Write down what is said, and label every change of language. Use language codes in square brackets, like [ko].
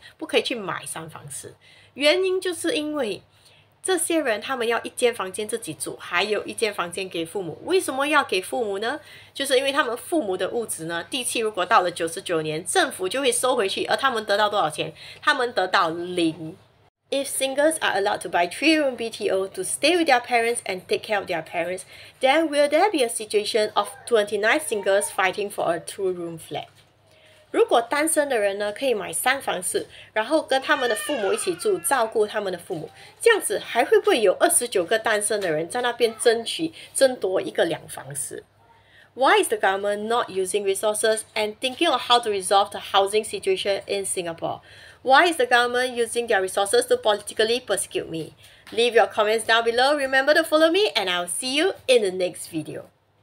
[zh] 所以很多人都在那边留言讲说，为什么单身的不可以去住三房式，不可以去买三房式？原因就是因为 这些人他们要一间房间自己住，还有一间房间给父母。为什么要给父母呢？就是因为他们父母的物质呢，地契如果到了99年，政府就会收回去，而他们得到多少钱？他们得到零。 [en] If singles are allowed to buy 3-room BTO to stay with their parents and take care of their parents, then will there be a situation of 29 singles fighting for a 2-room flat? [zh] 如果单身的人呢，可以买三房式，然后跟他们的父母一起住，照顾他们的父母，这样子还会不会有29个单身的人在那边争取争夺一个两房式？ [en] Why is the government not using resources and thinking of how to resolve the housing situation in Singapore? Why is the government using their resources to politically persecute me? Leave your comments down below. Remember to follow me and I'll see you in the next video.